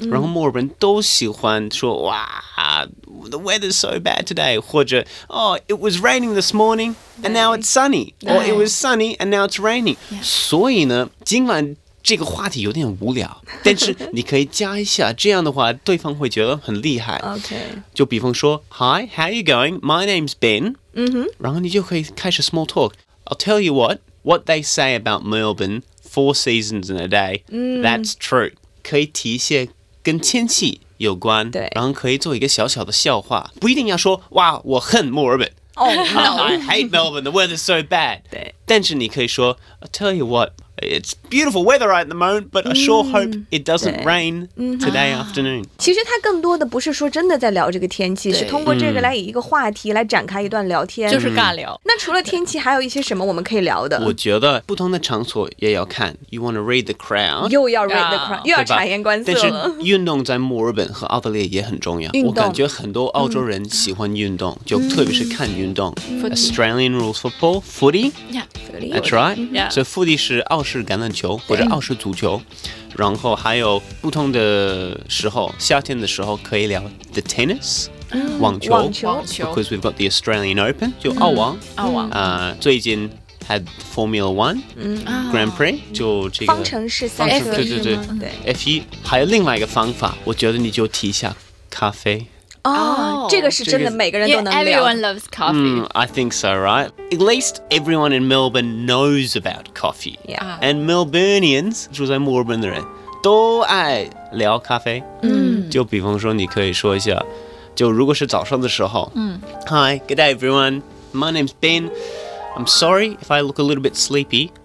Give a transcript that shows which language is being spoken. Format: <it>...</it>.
<zh>然后墨尔本都喜欢说哇</zh> <en>，the weather's so bad today， 或者 oh it was raining this morning and now it's sunny， or it was sunny and now it's raining。 Yeah.</en> <zh>所以呢，今晚这个话题有点无聊，但是你可以加一下，这样的话对方会觉得很厉害。</zh> <en>OK，</en> <zh>就比方说</zh> <en>，Hi， how are you going？ My name's Ben。嗯哼，</en> <zh>然后你就可以开始 small talk。</zh> <en>I'll tell you what， what they say about Melbourne， four seasons in a day，that's true。</en> <zh>可以提一些跟天气有关，对，然后可以做一个小小的笑话，不一定要说哇，我恨墨尔本。</zh> <en>Oh, no. I hate Melbourne. The weather's so bad.</en> <zh>对，但是你可以说</zh> <en>，I'll tell you what, it's beautiful weather right at the moment, but I sure hope it doesn't rain today afternoon.</en> <zh>其实它更多的不是说真的在聊这个天气，是通过这个来以一个话题来展开一段聊天，就是尬聊。那除了天气，还有一些什么我们可以聊的？我觉得不同的场所也要看。</zh> <en>You want to read the crowd?</en> <zh>又要</zh> <en>read the crowd，</en> <zh>又要察言观色了。但是运动在墨尔本和澳大利亚也很重要。我感觉很多澳洲人喜欢运动，就特别是看运动。</zh> <en>Australian rules football, footy. Yeah, that's right. Yeah.</en> <zh>So footy 是澳式橄榄球或者澳式足球，然后还有不同的时候，夏天的时候可以聊 the tennis， 网球，</zh> <en>Because we've got the Australian Open，</en> <zh>就澳网，澳网啊，最近。</zh> <en>Had Formula One Grand Prix，</en> <zh>就这个方程式赛车，对对对对。 F1 还有另外一个方法，我觉得你就提一下咖啡。这个是真的，每个人都能聊。</zh> <en>Everyone loves coffee. I think so, right? At least everyone in Melbourne knows about coffee. Yeah.</en> <zh>And Melburnians 住在墨尔本的人都爱聊咖啡。就比方说，你可以说一下，就如果是早上的时候。</zh> <en>Hi, good day, everyone. My name's Ben. I'm sorry if I look a little bit sleepy.</en>